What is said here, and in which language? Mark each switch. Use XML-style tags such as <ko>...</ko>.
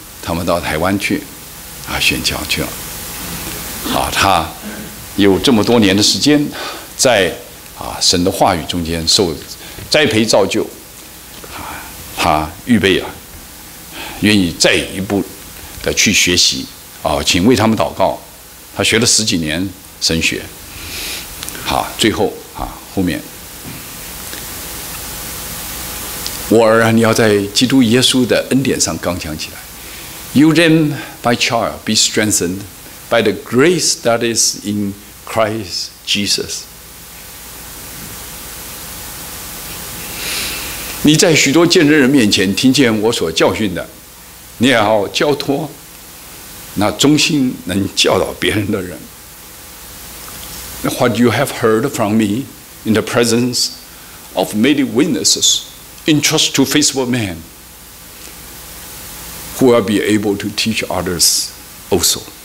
<zh>他们到台湾去，宣教去了，他有这么多年的时间，在神的话语中间受栽培造就，他预备了，愿意再一步的去学习，请为他们祷告。他学了十几年神学，最后后面，我儿啊，你要在基督耶稣的恩典上刚强起来。</zh> <en>You then, my child, be strengthened by the grace that is in Christ Jesus.</en> <zh>你在许多见证人面前听见我所教训的，你也要交托那忠心能教导别人的人。</zh> <en>What you have heard from me in the presence of many witnesses, entrust to faithful men who will be able to teach others also.</en>